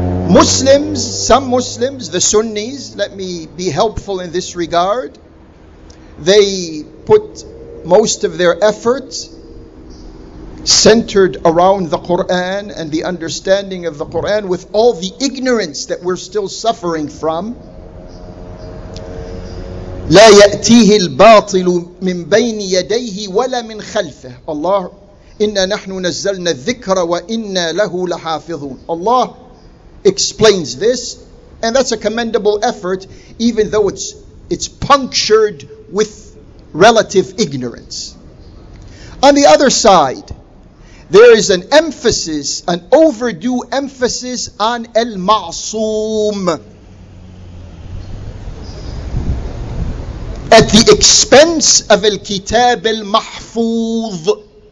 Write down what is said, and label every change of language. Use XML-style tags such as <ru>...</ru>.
<en>Muslims, some Muslims, the Sunnis, let me be helpful in this regard. They put most of their effort centered around the Quran and the understanding of the Quran with all the ignorance that we're still suffering from.</en> <ar>لا يأتيه الباطل من بين يديه ولا من خلفه. Allah, إنا نحن نزلنا الذكر وإنا له لحافظون.</ar> <en>Allah explains this, and that's a commendable effort, even though it's punctured with relative ignorance. On the other side, there is an emphasis, an overdue emphasis on al-ma'soom, at the expense of al-kitab al-mahfuz.</en>